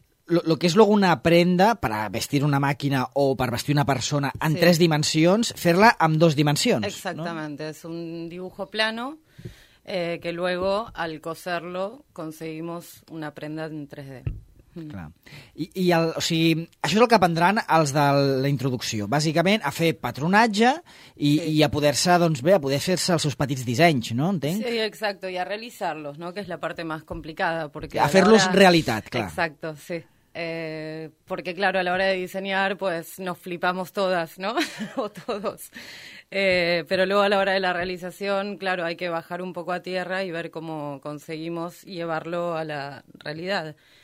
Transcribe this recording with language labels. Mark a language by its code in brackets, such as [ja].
[es] Lo que [ca] és luego una prenda per vestir una màquina o per vestir una persona en sí. Tres dimensions, fer-la en dos dimensions. [es] Exactamente, ¿no? Es un dibujo plano que luego al coserlo conseguimos una prenda en 3D. [ca] I el, o sigui, això és el que aprendran els de la introducció, bàsicament a fer patronatge i, sí. I a poder-se, doncs bé, a poder fer-se els seus petits dissenys, no? Entenc? [es] Sí, exacto, y a realizarlos, ¿no? Que es la parte más complicada. Porque [ca] a fer-los hora... realitat, clar. [es] Exacto, sí. Porque claro, a la hora de diseñar, pues nos flipamos todas, ¿no? o todos. Pero luego a la hora de la realización, claro, hay que bajar un poco a tierra y ver cómo conseguimos llevarlo a la realidad.